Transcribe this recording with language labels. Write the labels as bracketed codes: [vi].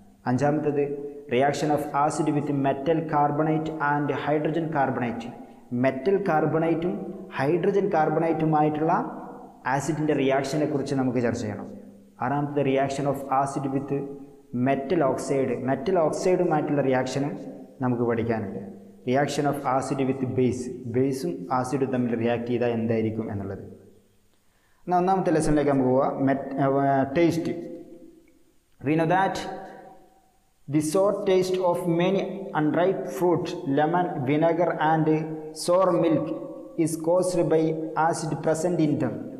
[ml] അഞ്ചാമത്തേത് [en] reaction of acid with metal carbonate and hydrogen carbonate, [ml] metal carbonate ഉം hydrogen carbonate ഉമായിട്ടുള്ള ആസിഡിൻ്റെ റിയാക്ഷനെ കുറിച്ച് നമുക്ക് ചർച്ച ചെയ്യണം. ആറാമത്തത് [en] reaction of acid with metal oxide, [ml] metal ഓക്സൈഡുമായിട്ടുള്ള റിയാക്ഷനും നമുക്ക് പഠിക്കാനുണ്ട്. [en] reaction of acid with base, [ml] ബേസും ആസിഡും തമ്മിൽ റിയാക്ട് ചെയ്താൽ എന്തായിരിക്കും എന്നുള്ളത്. എന്നാൽ ഒന്നാമത്തെ ലെസണിലേക്ക് നമുക്ക് പോവാം. [en] Taste, we know that the sour taste of many unripe fruit, lemon, vinegar and sour milk is caused by acid present in them.